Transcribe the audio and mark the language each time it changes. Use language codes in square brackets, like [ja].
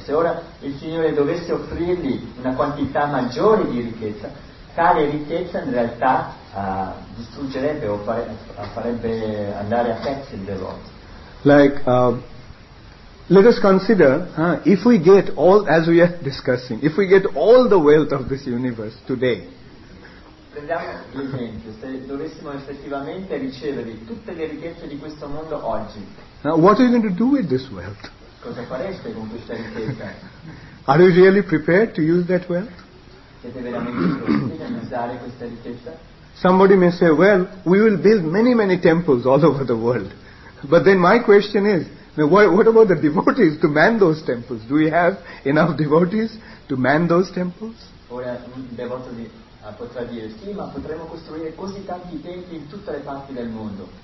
[it] Se ora il Signore dovesse offrirgli una quantità maggiore di ricchezza, tale ricchezza in realtà distruggerebbe o farebbe andare a pezzi il devoto. [en] Let us consider, if we get all, as we are discussing, if we get all the wealth of this universe today, [it] prendiamo l'esempio, se dovessimo effettivamente ricevere tutte le ricchezze di questo mondo oggi, [en] what are you going to do with this wealth? [it] Cosa fareste con questa ricchezza? [en] Are you really prepared to use that wealth? [it] Siete veramente pronti a usare questa ricchezza? [en] Somebody may say, well, we will build many, many temples all over the world. But then my question is, now, what about the devotees to man those temples? Do we have enough devotees to man those temples? [it] Ora un devoto potrà dire sì, ma potremmo costruire così tanti templi in tutte le parti del mondo.